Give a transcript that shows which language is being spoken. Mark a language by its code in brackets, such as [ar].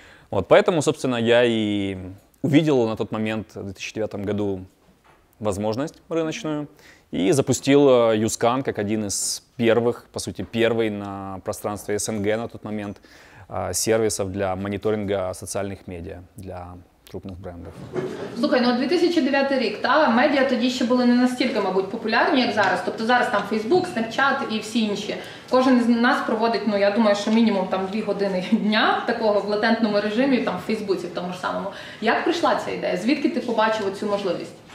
[ru] Вот, поэтому, собственно, я и увидел на тот момент, в 2009 году, возможность рыночную и запустил YouScan как один из первых, по сути, первый на пространстве СНГ на тот момент сервисов для мониторинга социальных медиа для крупных брендов. [uk] Слухай, ну 2009 рік, та медіа тоді ще були не настільки, мабуть, популярні, як зараз. Тобто зараз там Facebook, Snapchat і всі інші. Кожен з нас проводить, ну я думаю, що мінімум там 2 години дня такого в латентному режимі там в Фейсбуці, в тому ж самому. Як прийшла ця ідея? Звідки ти побачив цю можливість?